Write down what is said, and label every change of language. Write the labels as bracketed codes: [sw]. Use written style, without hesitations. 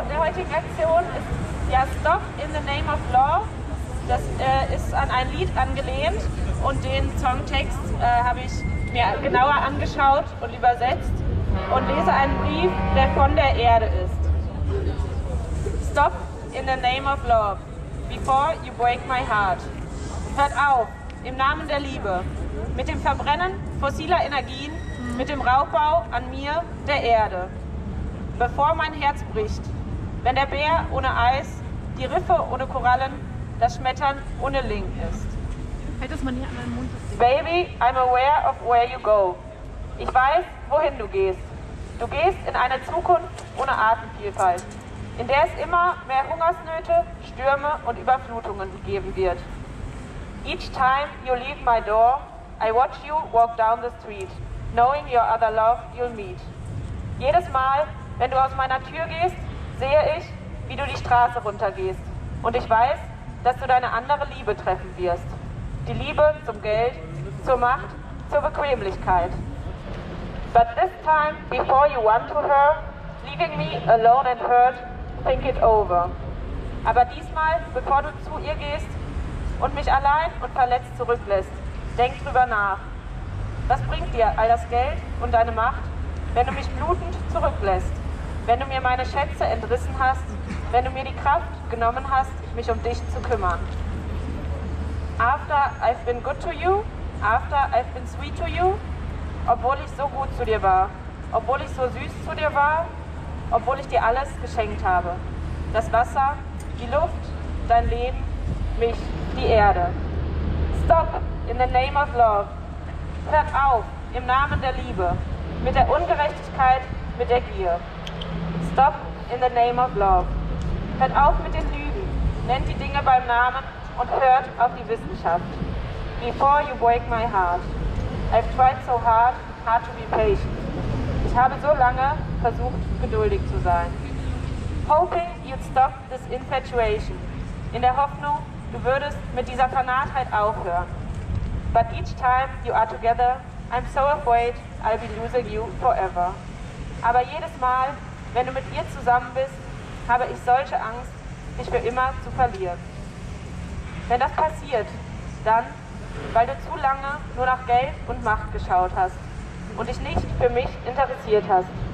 [de] heutigen Aktion ist ja Stop in the Name of Law. Das ist an ein Lied angelehnt und den Songtext habe ich mir genauer angeschaut und übersetzt und lese einen Brief, der von der Erde ist. [en] Stop in the Name of Love, before you break my heart. [de] Hört auf, im Namen der Liebe, mit dem Verbrennen fossiler Energien, mit dem Raubbau an mir, der Erde. Bevor mein Herz bricht, wenn der Bär ohne Eis, die Riffe ohne Korallen, das Schmettern ohne Link ist. Hält das mal nie an meinem Mund. [en] Baby, I'm aware of where you go. [de] Ich weiß, wohin du gehst. Du gehst in eine Zukunft ohne Artenvielfalt, in der es immer mehr Hungersnöte, Stürme und Überflutungen geben wird. [en] Each time you leave my door, I watch you walk down the street, knowing your other love you'll meet. [de] Jedes Mal, wenn du aus meiner Tür gehst, sehe ich, wie du die Straße runtergehst. Und ich weiß, dass du deine andere Liebe treffen wirst. Die Liebe zum Geld, zur Macht, zur Bequemlichkeit. [en] But this time, before you run to her, leaving me alone and hurt, think it over. [de] Aber diesmal, bevor du zu ihr gehst und mich allein und verletzt zurücklässt, denk drüber nach. Was bringt dir all das Geld und deine Macht, wenn du mich blutend zurücklässt, wenn du mir meine Schätze entrissen hast, wenn du mir die Kraft genommen hast, mich um dich zu kümmern? [en] After I've been good to you, [de] after I've been sweet to you, obwohl ich so gut zu dir war, obwohl ich so süß zu dir war, obwohl ich dir alles geschenkt habe. Das Wasser, die Luft, dein Leben, mich, die Erde. [en] Stop in the name of love. [de] Hört auf im Namen der Liebe, mit der Ungerechtigkeit, mit der Gier. [en] Stop in the name of love. [de] Hört auf mit den Lügen, nennt die Dinge beim Namen, und hört auf die Wissenschaft. [en] Before you break my heart, I've tried so hard, hard to be patient. [de] Ich habe so lange versucht, geduldig zu sein. [en] Hoping you'd stop this infatuation. [de] In der Hoffnung, du würdest mit dieser Fanatheit aufhören. [en] But each time you are together, I'm so afraid I'll be losing you forever. [de] Aber jedes Mal, wenn du mit ihr zusammen bist, habe ich solche Angst, dich für immer zu verlieren. Wenn das passiert, dann, weil du zu lange nur nach Geld und Macht geschaut hast und dich nicht für mich interessiert hast.